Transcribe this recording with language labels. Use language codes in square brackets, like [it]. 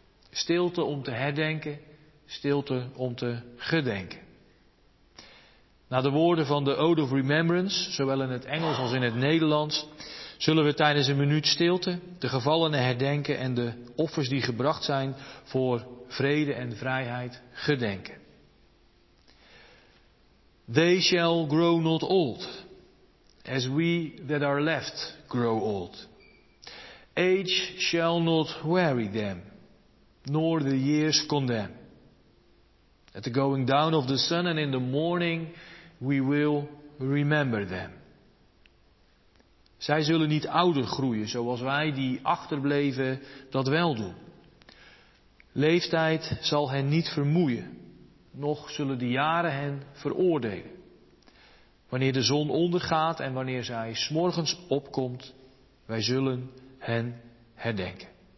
[nl] Stilte om te herdenken, stilte om te gedenken. Na de woorden van de Ode of Remembrance, zowel in het Engels als in het Nederlands, zullen we tijdens een minuut stilte de gevallenen herdenken en de offers die gebracht zijn voor vrede en vrijheid gedenken. [en] They shall grow not old, as we that are left grow old. Age shall not weary them, nor the years condemn. At the going down of the sun and in the morning, we will remember them. [nl] Zij zullen niet ouder groeien, zoals wij die achterbleven dat wel doen. Leeftijd zal hen niet vermoeien, nog zullen de jaren hen veroordelen. Wanneer de zon ondergaat en wanneer zij 's morgens opkomt, wij zullen hen herdenken.